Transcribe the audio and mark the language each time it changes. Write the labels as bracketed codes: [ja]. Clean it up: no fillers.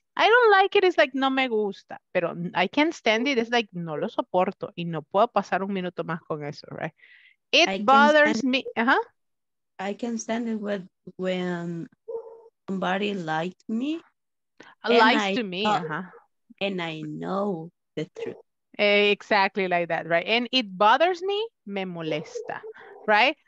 [en] I don't like it. It's like, [es] no me gusta. Pero [en] I can't stand it. It's like, [es] no lo soporto. Y no puedo pasar un minuto más con eso, right? [en] It bothers me. Uh-huh. I can stand it when somebody lied to me. Lies to me, uh-huh. And I know the truth. Exactly like that, right? And it bothers me, [es] me molesta, [en] right?